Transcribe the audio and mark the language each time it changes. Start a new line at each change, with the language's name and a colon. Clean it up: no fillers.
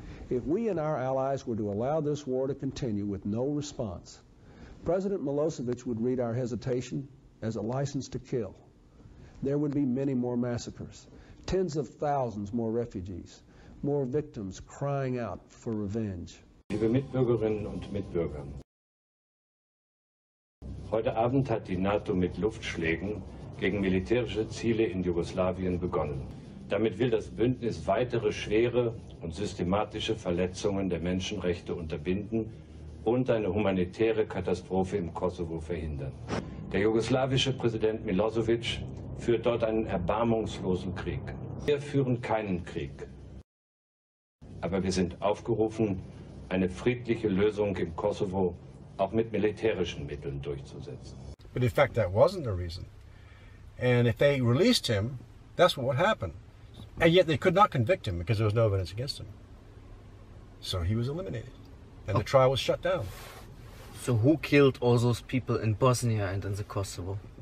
English: If we and our allies were to allow this war to continue with no response, President Milosevic would read our hesitation as a license to kill. There would be many more massacres, tens of thousands more refugees, more victims crying out for revenge.
German: Liebe Mitbürgerinnen und Mitbürger, heute Abend hat die NATO mit Luftschlägen gegen militärische Ziele in Jugoslawien begonnen. Damit will das Bündnis weitere schwere und systematische Verletzungen der Menschenrechte unterbinden und eine humanitäre Katastrophe im Kosovo verhindern. Der jugoslawische Präsident Milosevic führt dort einen erbarmungslosen Krieg. Wir führen keinen Krieg. Aber wir sind aufgerufen, eine friedliche Lösung im Kosovo auch mit militärischen Mitteln durchzusetzen.
English: But in fact, that wasn't the reason. And if they released him, that's what would happen. And yet they could not convict him because there was no evidence against him. So he was eliminated. And the trial was shut down. So who killed all those people in Bosnia and in the Kosovo?